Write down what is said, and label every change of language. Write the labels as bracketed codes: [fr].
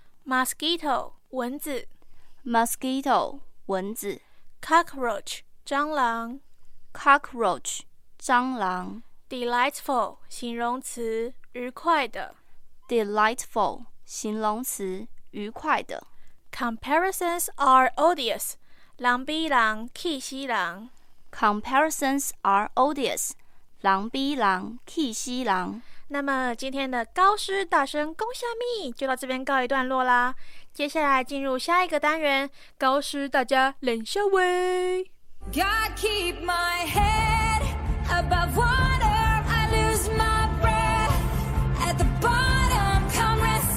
[en] Mosquito 蚊子。 Mosquito 蚊子。 Cockroach 蟑螂。 Cockroach 蟑螂。 [zh] Delightful 形容词，愉快的。 Delightful 形容词，愉快的。 [en] Comparisons are odious. [zh] 人比人气死人。 [en] Comparisons are odious. [zh] 人比人气死人。那么今天的高师大声公虾米就到这边告一段落啦。接下来进入下一个单元，高师大家冷笑威。 [en] God keep my head above water. I lose my breath at the bottom.